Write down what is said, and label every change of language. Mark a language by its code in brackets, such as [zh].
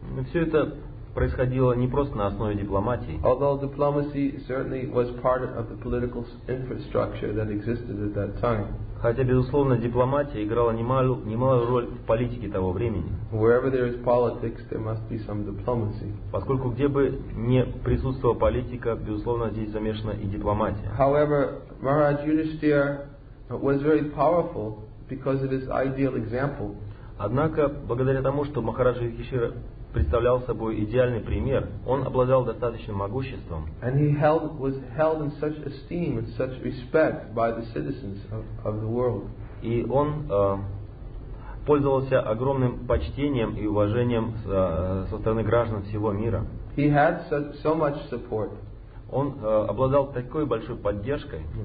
[ru] Все это происходило не просто на основе дипломатии. [en] Although diplomacy certainly was part of the political infrastructure that existed at that time. [ru] Хотя, безусловно, дипломатия играла немалую роль в политике того времени. [en] Wherever there is politics, there must be some diplomacy. [ru] Поскольку где бы ни присутствовала политика, безусловно, здесь замешана и дипломатия. [en] However, Maharaj Yudhishthira was very powerful because of his ideal example. [ru] Однако, благодаря тому, что Махараджа Юдхиштхира представлял собой идеальный пример, он обладал достаточным могуществом. [en] And he was held in such esteem and such respect by the citizens of the world. [ru] И он пользовался огромным почтением и уважением со стороны граждан всего мира. [en] He had so much support. [ru] Он обладал такой большой поддержкой.